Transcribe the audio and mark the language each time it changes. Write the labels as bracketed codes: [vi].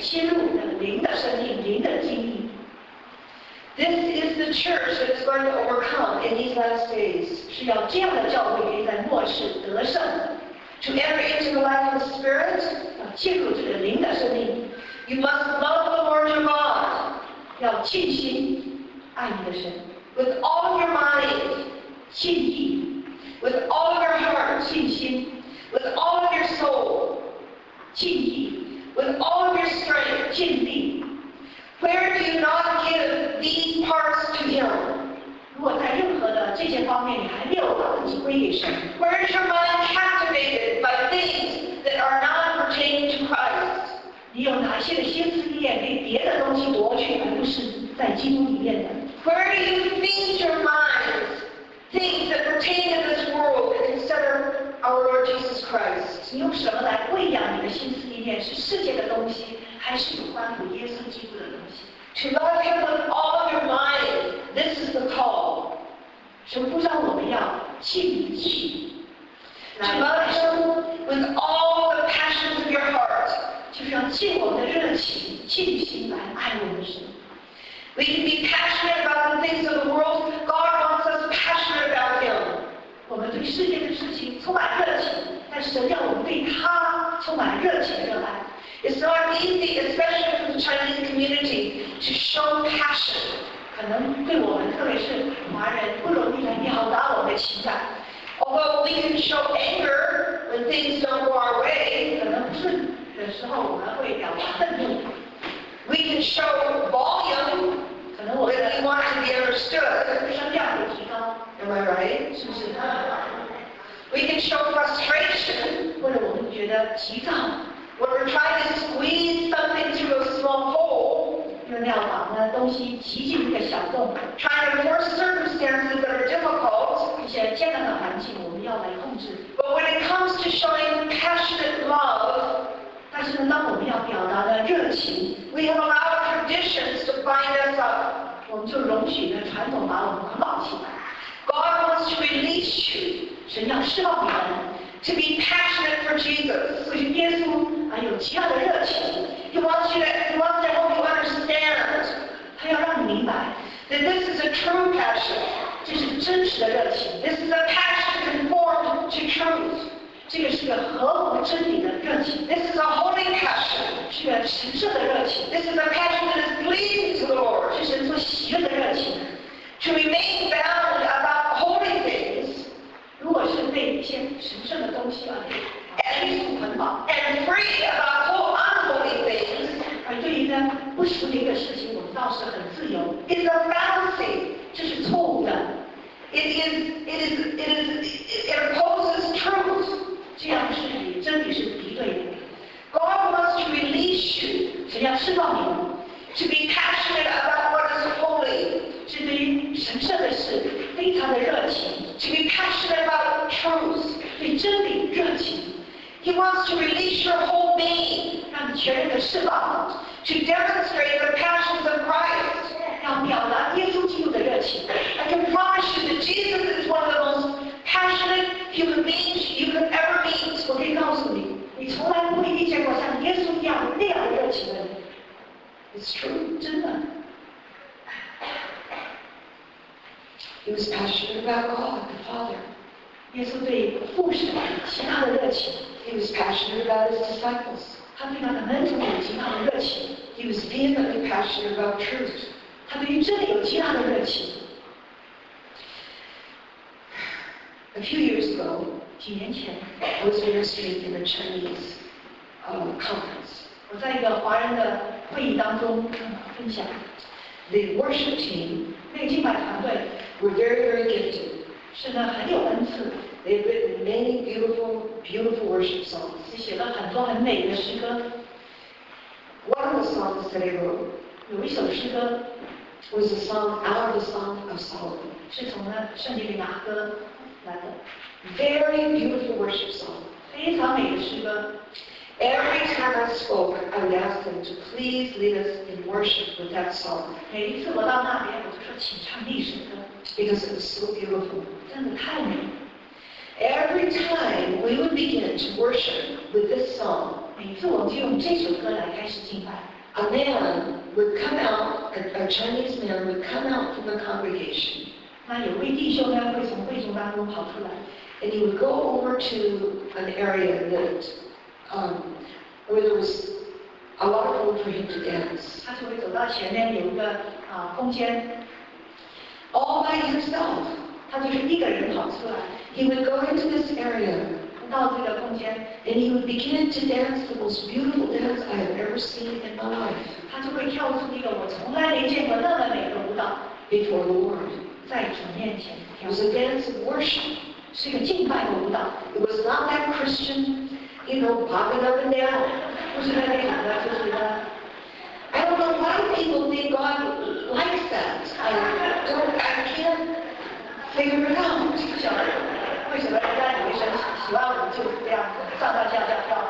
[zh] 进入我们的灵的生命，灵的经历。 [en] This is the church that is going to overcome in these last days. [zh] 是要这样的教会可以在末世得胜。 [en] To enter into the life of the spirit, [zh] 要进入这个灵的生命。 [en] You must love the Lord your God. [zh] 要尽心爱你的神。 [en] With all your mind, [zh] 尽意。 [en] With all of your heart, [zh] 信心 [en] With all of your soul, [zh] 尽意 [en] With all of your strength, [zh] 尽力 [en] Where do you not give these parts to Him? [zh] 如果在任何的这些方面你还没有把自己归给神 [en] Where is your mind captivated by things that are not pertaining to Christ? [zh] 你有哪些的心思意念被别的东西夺去，而不是在基督里面的 [en] Where do you feed your mind? Things that pertain to this world instead of our Lord Jesus Christ. [zh] 你用什么来喂养你的心思意念？是世界的东西，还是有关乎耶稣基督的东西 [en] ？To love Him with all of your mind. This is the call. [zh] 神呼召我们要尽意。 [en] To love Him with all the passions of your heart. [zh] 就是要尽我们的热情，尽心来爱我们的神。 [en] We can be passionate about the things of the world. God wants us passionate about Him. [zh] 我们对世界的事情充满热情，但是神要我们对他充满热情热爱。 [en] It's not easy, especially for the Chinese community, to show passion. [zh] 可能对我们，特别是华人，不容易来表达我们的情感。 [en] Although we can show anger when things don't go our way, [zh] 可能不顺的时候，我们会表达愤怒。 [en] We can show volume when we want to be understood. Am I right? [zh] 是不是？ [en] We can show frustration when we [zh] 觉得急躁 [en] when we're trying to squeeze something through a small hole. [zh] 用那样把东西挤进一个小洞 [en] trying to force circumstances that are difficult. [zh] 一些艰难的环境，我们要来控制 [en] But when it comes to showing passionate love. [zh] 但是呢，当我们要表达的热情 [en] ，We have allowed traditions to bind us up， [zh] 我们就容许的传统把我们绑起来。 [en] God wants to release you， [zh] 神要释放我们 [en] ，to be passionate for Jesus， [zh] 为耶稣而有极大的热情。 [en] He wants to help you understand， [zh] 他要让你明白 [en] ，that this is a true passion， [zh] 这是真实的热情。 [en] This is a passion conformed to truth。 [zh] 这个是个合乎真理的热情。 [en] This is a holy passion， [zh] 是个神圣的热情。 [en] This is a passion that is pleasing to the Lord， [zh] 是神所喜悦的热情。 [en] To remain bound about holy things， [zh] 如果是被一些神圣的东西啊，被束捆绑。 [en] And free about all unholy things， [zh] 而对于呢不属灵的事情，我们倒是很自由。 [en] Is a fallacy， [zh] 这是错误的。 [en] It opposes truth。 [zh] 这样是与真理是敌对的。 [en] God wants to release you， [zh] 神要释放你。 [en] to be passionate about what is holy, [zh] 是对于神圣的事非常的热情 [en] to be passionate about truth, [zh] 对真理热情 [en] He wants to release your whole being, [zh] 让你全人的释放 [en] to demonstrate the passions of Christ, [zh] 要表达耶稣基督的热情 [en] I can promise you that Jesus is one of the most passionate human beings you could ever meet, [zh] 我可以告诉你你从来不会遇见过像耶稣一样那样的热情的人 [en] It's true, [zh] 真的。 [en] He was passionate about God, the Father. [zh] 耶稣对父神极大的热情。 [en] He was passionate about his disciples. [zh] 他对他的门徒有极大的热情。 [en] He was vehemently passionate about truth. [zh] 他对于真理有极大的热情。 [en] A few years ago, [zh] 几年前 [en] I was ministering in a Chinese, conference. [zh] 我在一个华人的会议当中分享 [en] The worship team [zh] 那个敬拜团队 [en] were very very gifted [zh] 是呢很有恩赐 [en] They had written many beautiful beautiful worship songs [zh] 也写了很多很美的诗歌 [en] One of the songs that they wrote [zh] 有一首诗歌 [en] was a song out of the Song of Solomon [zh] 是从呢圣经的雅歌来的 [en] Very beautiful worship song [zh] 非常美的诗歌 [en] Every time I spoke, I would ask them to please lead us in worship with that song. [zh] 每一次我到那边，我就说请唱那首歌。 [en] Because it was so beautiful. [zh] 真的太美。 [en] Every time we would begin to worship with this song, [zh] 每一次我就用这首歌来开始敬拜。 [en] A man would come out, a Chinese man would come out from the congregation. [zh] 那有位弟兄呢，会从会众当中跑出来。 [en] And he would go over to an area that. Where there was a lot of room for him to dance. [zh] 他就会走到前面有一个空间 [en] All by himself. [zh] 他就是一个人跑出来 [en] He would go into this area. [zh] 到这个空间 [en] And he would begin to dance the most beautiful dance I have ever seen in my life. [zh] 他就会跳出一个我从来没见过那么美的舞蹈 [en] Before the Lord. [zh] 在主面前 [en] It was a dance of worship. [zh] 是一个敬拜的舞蹈 [en] It was not that Christian. You know, popping up and down. [zh] 不是那样的，就是的。 [en] I don't know why people think God likes that. I can't figure it out. [zh] 不晓得为什么人家女生喜欢我们就是这样子，上上下下跳。